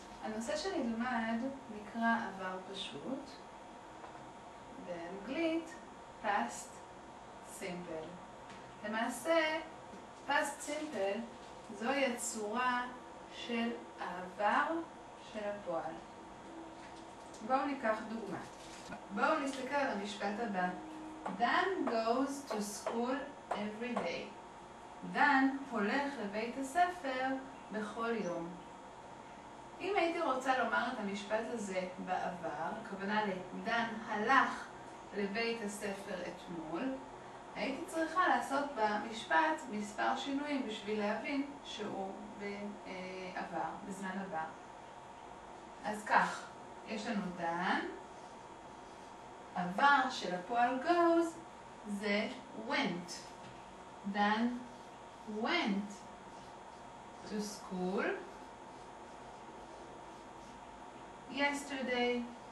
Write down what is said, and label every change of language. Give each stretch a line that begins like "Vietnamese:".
Hebrew: הנושא שנלמד נקרא עבר פשוט. באנגלית, past simple. למעשה, past simple זוהי הצורה של העבר של הפועל. בואו ניקח דוגמה. בואו נסתכל על המשפט הבא.
English: Dan goes to school every day.
Hebrew: דן הולך לבית הספר בכל יום. אם הייתי רוצה לומר את המשפט הזה בעבר, הכוונה לדן הלך לבית הספר אתמול, הייתי צריכה לעשות במשפט מספר שינויים בשביל להבין שהוא בעבר, בזמן עבר. אז כך, יש לנו דן, עבר של הפועל goes זה went.
English: דן went to school yesterday.